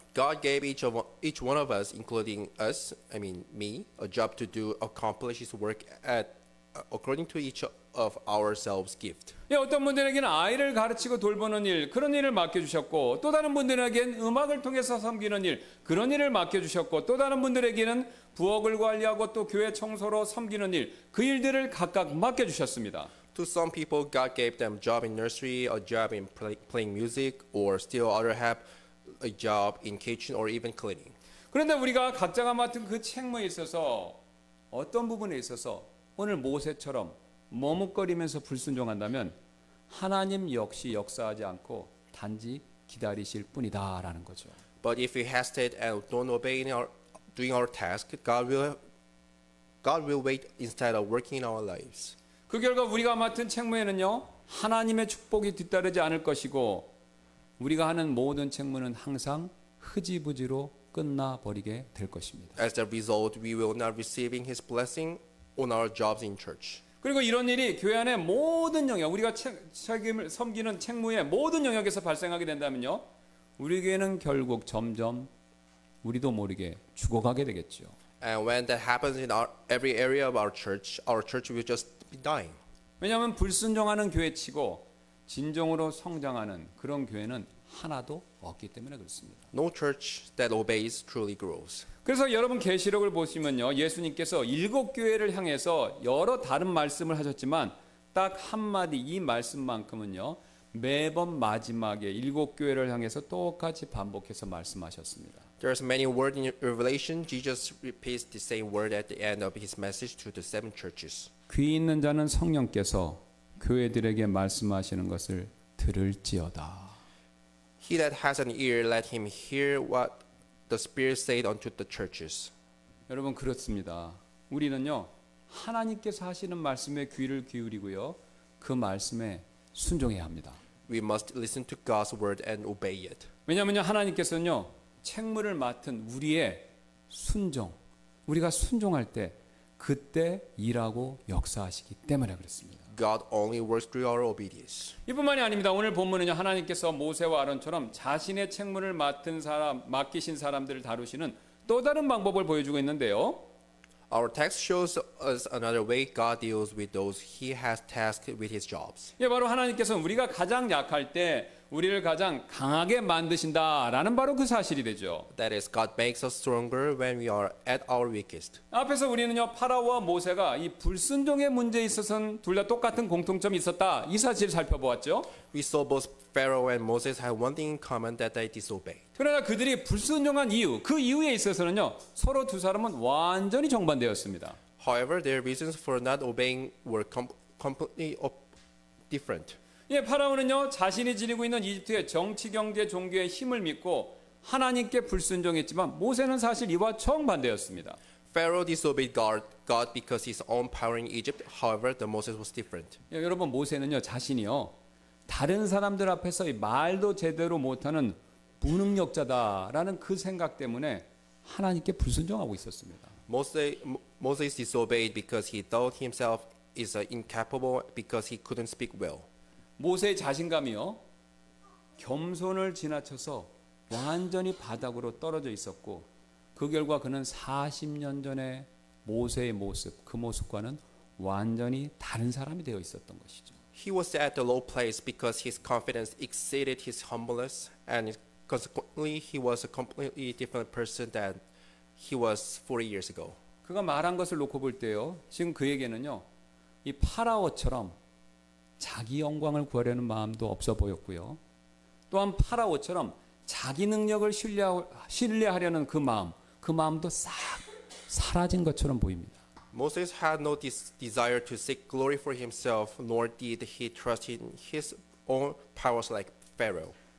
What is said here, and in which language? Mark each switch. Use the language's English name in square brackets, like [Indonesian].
[English] God gave each one of us, including us, I mean me, a job to do, accomplish His work at according to each of ourselves' gift. [Korean] 예, 어떤 분들에게는 아이를 가르치고 돌보는 일 그런 일을 맡겨 주셨고 또 다른 분들에게는 음악을 통해서 섬기는 일 그런 일을 맡겨 주셨고 또 다른 분들에게는 부엌을 관리하고 또 교회 청소로 섬기는 일 그 일들을 각각 맡겨 주셨습니다. [English] To some people, God gave them a job in nursery, a job in playing music, or still other have a job in kitchen or even cleaning. [Korean] 그런데 우리가 각자가 맡은 그 책무에 있어서 어떤 부분에 있어서 오늘 모세처럼 머뭇거리면서 불순종한다면 하나님 역시 역사하지 않고 단지 기다리실 뿐이다라는 거죠. [English] But if we hesitate and don't obey in our doing our task, God will wait instead of working in our lives. [Korean] 그 결과 우리가 맡은 책무에는요 하나님의 축복이 뒤따르지 않을 것이고 우리가 하는 모든 책무는 항상 흐지부지로 끝나 버리게 될 것입니다. [English] As a result, we will not receiving His blessing on our jobs in church. [Korean] 그리고 이런 일이 교회 안의 모든 영역, 우리가 책임을 섬기는 책무의 모든 영역에서 발생하게 된다면요, 우리에게는 결국 점점 우리도 모르게 죽어가게 되겠죠. [English] And when that happens in every area of our church will just be dying. [Korean] 왜냐하면 불순종하는 교회치고 진정으로 성장하는 그런 교회는 하나도 없기 때문에 그렇습니다. [English] No church that obeys truly grows. [Korean] 그래서 여러분 계시록을 보시면요, 예수님께서 일곱 교회를 향해서 여러 다른 말씀을 하셨지만 딱 한마디 이 말씀만큼은요 매번 마지막에 일곱 교회를 향해서 똑같이 반복해서 말씀하셨습니다. [English] There's many words in Revelation. Jesus repeats the same word at the end of his message to the seven churches. [Korean] 귀 있는 자는 성령께서 교회들에게 말씀하시는 것을 들을지어다. [English] He that has an ear, let him hear what the Spirit said unto the churches. [Korean] 여러분 그렇습니다. 우리는요 하나님께서 하시는 말씀에 귀를 기울이고요 그 말씀에 순종해야 합니다. [English] We must listen to God's word and obey it. [Korean] 왜냐하면요 하나님께서는요 책무를 맡은 우리의 순종, 우리가 순종할 때 그때 일하고 역사하시기 때문에 그렇습니다. [English] God only works through our obedience. [Korean] 이뿐만이 아닙니다. 오늘 본문은요 하나님께서 모세와 아론처럼 자신의 책무를 맡은 사람, 맡기신 사람들을 다루시는 또 다른 방법을 보여주고 있는데요. [English] Our text shows us another way God deals with those He has tasked with His jobs. [Korean] 예, 바로 하나님께서는 우리가 가장 약할 때 우리를 가장 강하게 만드신다라는 바로 그 사실이 되죠. [English] That is, God makes us stronger when we are at our weakest. [Korean] 앞에서 우리는요 파라오와 모세가 이 불순종의 문제에 있어서는 둘 다 똑같은 공통점이 있었다 이 사실을 살펴보았죠. [English] We saw both Pharaoh and Moses had one thing in common, that they disobeyed. [Korean] 그러나 그들이 불순종한 이유, 그 이유에 있어서는요 서로 두 사람은 완전히 정반대였습니다. [English] However, their reasons for not obeying were completely different. [Korean] 예, 파라오는요 자신이 지니고 있는 이집트의 정치, 경제, 종교의 힘을 믿고 하나님께 불순종했지만 모세는 사실 이와 정반대였습니다. [English] Pharaoh disobeyed God because his own power in Egypt. However, the Moses was different. [Korean] 예, 여러분 모세는요 자신이요 다른 사람들 앞에서 이 말도 제대로 못하는 무능력자다라는 그 생각 때문에 하나님께 불순종하고 있었습니다. [English] Moses disobeyed because he thought himself is incapable because he couldn't speak well. [Korean] 모세의 자신감이요 겸손을 지나쳐서 완전히 바닥으로 떨어져 있었고 그 결과 그는 40년 전에 모세의 모습 그 모습과는 완전히 다른 사람이 되어 있었던 것이죠. [English] He was at the low place because his confidence exceeded his humbleness and consequently he was a completely different person than he was 40 years ago. [Korean] 그가 말한 것을 놓고 볼 때요 지금 그에게는요 이 파라오처럼 자기 영광을 구하려는 마음도 없어 보였고요. 또한 파라오처럼 자기 능력을 신뢰하려는 그 마음도 싹 사라진 것처럼 보입니다. [English] Moses had no desire to seek glory for himself, nor did he trust in his own powers like Pharaoh.